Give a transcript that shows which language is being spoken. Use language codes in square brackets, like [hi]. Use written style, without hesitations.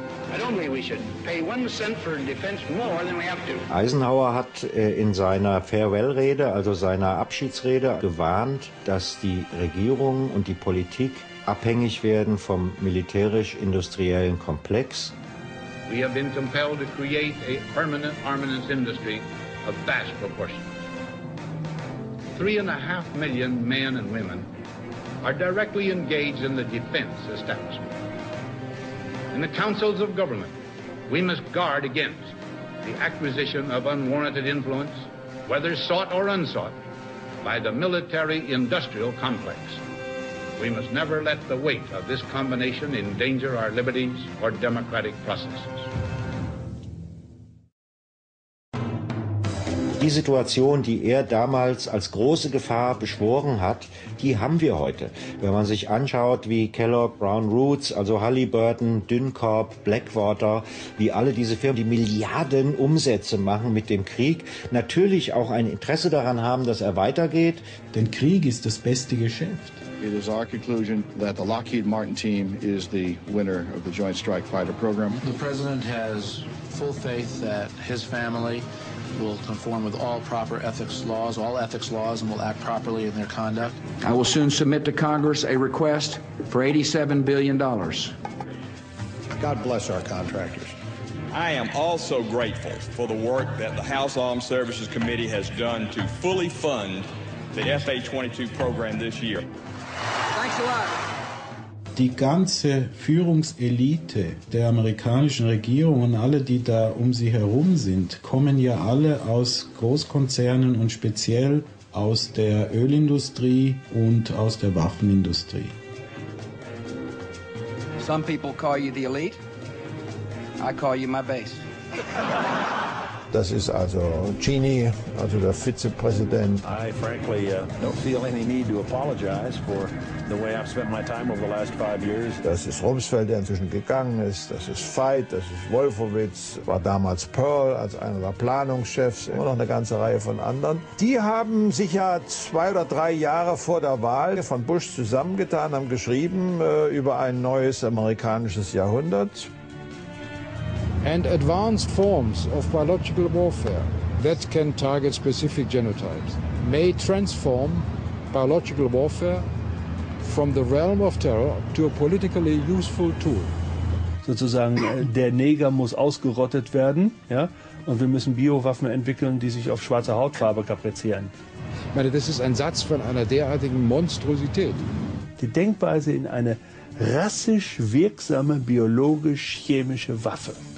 [en] I don't think we should pay 1 cent for defense more than we have to. [de] Eisenhower hat in seiner Farewell-Rede, also seiner Abschiedsrede, gewarnt, dass die Regierung und die Politik abhängig werden vom militärisch-industriellen Komplex. [en] We have been compelled to create a permanent armaments industry of vast proportions. 3.5 million men and women are directly engaged in the defense establishment. In the councils of government, we must guard against the acquisition of unwarranted influence, whether sought or unsought, by the military-industrial complex. We must never let the weight of this combination endanger our liberties or democratic processes. [de] Die Situation, die er damals als große Gefahr beschworen hat, die haben wir heute. Wenn man sich anschaut, wie Kellogg, Brown Roots, also Halliburton, Dyncorp, Blackwater, wie alle diese Firmen, die Milliarden Umsätze machen mit dem Krieg, natürlich auch ein Interesse daran haben, dass er weitergeht. Denn Krieg ist das beste Geschäft. [en] It is our conclusion that the Lockheed Martin team is the winner of the Joint Strike Fighter program. The president has full faith that his family will conform with all proper ethics laws, all ethics laws, and will act properly in their conduct. I will soon submit to Congress a request for $87 billion. God bless our contractors. I am also grateful for the work that the House Armed Services Committee has done to fully fund the FA-22 program this year. Thanks a lot. [de] Die ganze Führungselite der amerikanischen Regierung und alle, die da um sie herum sind, kommen ja alle aus Großkonzernen und speziell aus der Ölindustrie und aus der Waffenindustrie. [en] Some people call you the elite. I call you my base. [de] Das ist also Cheney, also der Vizepräsident. [en] I frankly don't feel any need to apologize for the way I've spent my time over the last 5 years. [de] Das ist Rumsfeld, der inzwischen gegangen ist. Das ist Veit, das ist Wolfowitz, war damals Pearl als einer der Planungschefs und noch eine ganze Reihe von anderen. Die haben sich ja 2 oder 3 Jahre vor der Wahl von Bush zusammengetan, haben geschrieben über ein neues amerikanisches Jahrhundert. [en] And advanced forms of biological warfare that can target specific genotypes may transform biological warfare from the realm of terror to a politically useful tool. [de] Sozusagen, der Neger muss ausgerottet werden, ja, und wir müssen Biowaffen entwickeln, die sich auf schwarze Hautfarbe kaprizieren. Ich meine, das ist ein Satz von einer derartigen Monstrosität. Die Denkweise in eine rassisch wirksame biologisch-chemische Waffe.